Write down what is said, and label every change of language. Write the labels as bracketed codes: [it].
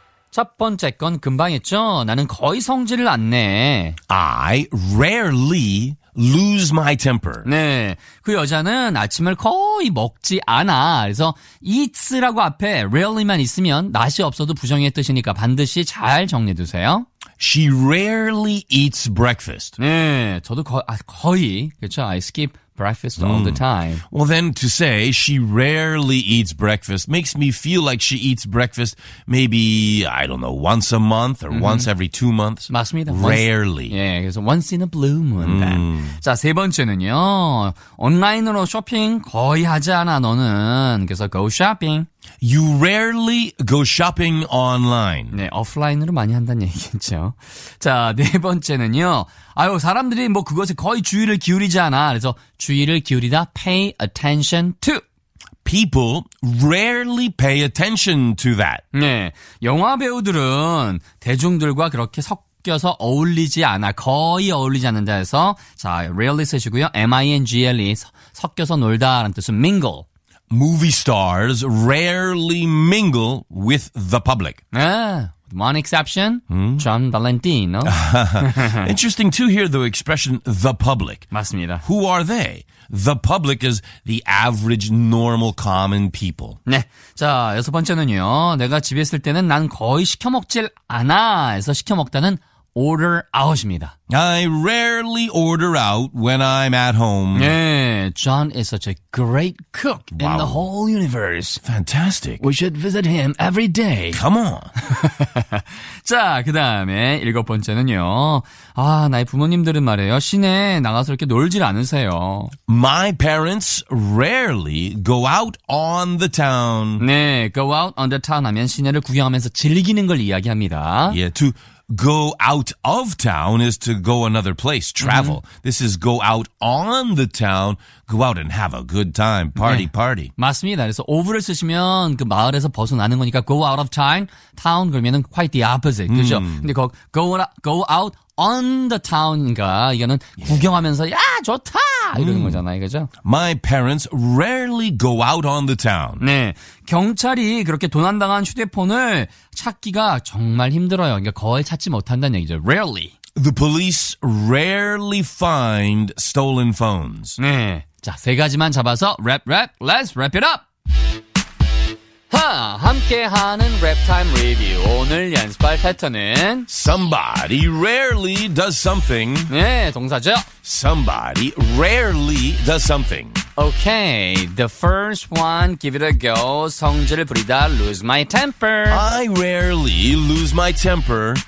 [ko] 첫 번째 건 금방 했죠? 나는 거의 성질을 안 내. [en] I rarely lose my temper. [ko] 네. 그 여자는 아침을 거의 먹지 않아. 그래서 eats라고 앞에 rarely만 있으면 낯이 없어도 부정의 뜻이니까 반드시 잘 정리해두세요. [en] She rarely eats breakfast. [ko] 네. 저도 거의. 그렇죠? [en] I skip breakfast all the time. Well, then to say she rarely eats breakfast makes me feel like she eats breakfast maybe, I don't know, once a month or once every 2 months. [ko] 맞습니다. [en] Rarely. Once, [ko] 예, 그래서 [en] once in a blue moon. [ko] 자, 세 번째는요. 온라인으로 쇼핑 거의 하지 않아, 너는. 그래서 [en] go shopping. You rarely go shopping online. [ko] 네, 오프라인으로 많이 한다는 얘기겠죠. 자, 네 번째는요. 아유, 사람들이 뭐 그것에 거의 주의를 기울이지 않아. 그래서 주의를 기울이다. [en] Pay attention to. People rarely pay attention to that. [ko] 네, 영화 배우들은 대중들과 그렇게 섞여서 어울리지 않아. 거의 어울리지 않는다 해서. 자, rarely 쓰시고요. M-I-N-G-L-E 섞여서 놀다라는 뜻은 mingle. [en] Movie stars rarely mingle with the public. Ah, one exception, John Valentino. Interesting to hear the expression the public. [ko] 맞습니다. [en] Who are they? The public is the average, normal, common people. [ko] 네. 자, 여섯 번째는요. 내가 집에 있을 때는 난 거의 시켜 먹질 않아. 해서 시켜 먹다는 order out입니다. [en] I rarely order out when I'm at home. 네, John is such a great cook in the whole universe. Fantastic. We should visit him every day. Come on. [ko] 자, 그 다음에 일곱 번째는요. 아, 나의 부모님들은 말이에요. 시내에 나가서 이렇게 놀질 않으세요. [en] My parents rarely go out on the town. [ko] 네, go out on the town 하면 시내를 구경하면서 즐기는 걸 이야기합니다. [en] Yeah, to go out of town is to go another place, travel. Mm-hmm. This is go out on the town, go out and have a good time, party, 네. party. [ko] 맞습니다. 그래서 over를 쓰시면 그 마을에서 벗어나는 거니까 go out of town, town 그러면은 [en] quite the opposite, [ko] 그렇죠? 근데 거, go out on the town인가, 이거는 yeah. 구경하면서 야, 좋다! 이러는 거잖아요, 그죠? [en] My parents rarely go out on the town. [ko] 네, 경찰이 그렇게 도난당한 휴대폰을 찾기가 정말 힘들어요. 그러니까 거의 찾지 못한다는 얘기죠. [en] Rarely. The police rarely find stolen phones. [ko] 네, 자, 세 가지만 잡아서 랩, 랩, [en] let's wrap it up! [ko] 하, 함께하는 랩타임 리뷰. 오늘 연습할 패턴은 [en] Somebody rarely does something. [ko] 네, 동사죠. [en] Somebody rarely does something. Okay, the first one, give it a go. [ko] 성질을 부리다, [en] lose my temper. I rarely lose my temper.